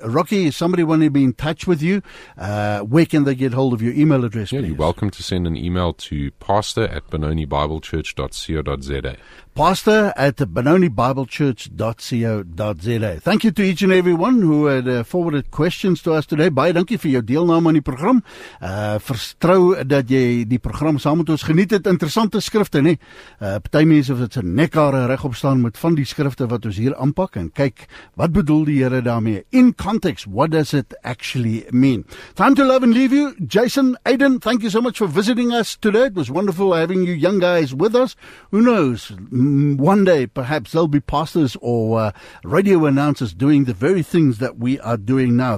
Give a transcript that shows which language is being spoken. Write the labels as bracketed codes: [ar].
[en] Rocky, is somebody wanting to be in touch with you? Where can they get hold of your email address, please? You're welcome to send an email to pastor@benonibiblechurch.co.za. pastor@benonibiblechurch.co.za. Thank you to each and everyone who had forwarded questions to us today. [af] Baie dankie vir jou deelname aan die program. Vertrou dat jy die program saam met ons geniet het. Interessante skrifte, nie? Party mense of dit sy nekhare regop staan met van die skrifte wat ons hier aanpak en kyk, wat bedoel die Here daarmee? [en] In context, what does it actually mean? Time to love and leave you. Jason, Aiden, thank you so much for visiting us today. It was wonderful having you young guys with us. Who knows? One day, perhaps, there'll be pastors or radio announcers doing the very things that we are doing now.